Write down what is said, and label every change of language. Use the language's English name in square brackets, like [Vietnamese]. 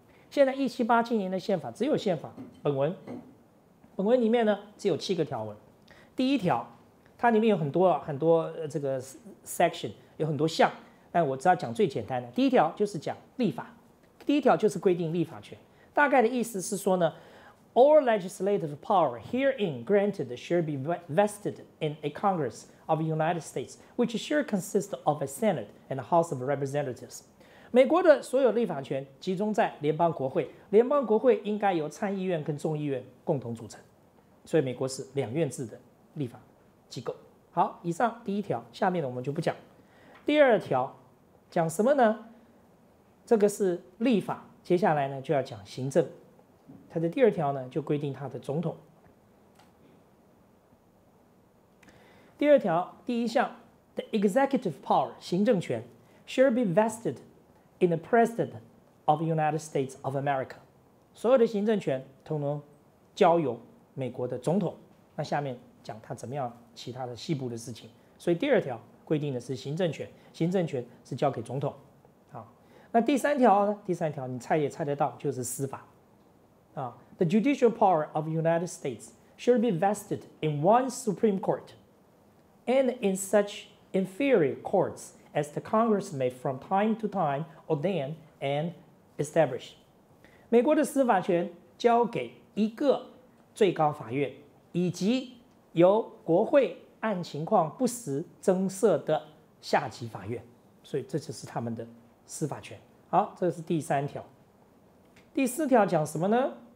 [Chinese] 现在1787年的宪法只有宪法本文，本文里面呢只有七个条文。第一条，它里面有很多很多这个 section， 有很多项，但我只要讲最简单的。第一条就是讲立法，第一条就是规定立法权。大概的意思是说呢， [English] All legislative power herein granted shall be vested in a Congress of the United States, which shall consist of a Senate and a House of Representatives. [Chinese] 美国的所有立法权集中在联邦国会，联邦国会应该由参议院跟众议院共同组成，所以美国是两院制的立法机构。好，以上第一条，下面我们就不讲。第二条讲什么呢？这个是立法，接下来呢就要讲行政。他的第二条呢就规定他的总统。第二条第一项， [English] The executive power [Chinese] 行政权 [English] shall be vested in the president of the United States of America， [Chinese] 所有的行政权统统交由美国的总统。那下面讲他怎么样其他的细部的事情。所以第二条规定的是行政权，行政权是交给总统。那第三条呢？第三条你猜也猜得到，就是司法。 [English] The judicial power of the United States should be vested in one Supreme Court and in such inferior courts as the Congress may from time to time ordain and establish. [Chinese] 美国的司法权交给一个最高法院，以及由国会按情况不时增设的下级法院，所以这就是他们的司法权。好，这是第三条。第四条讲什么呢？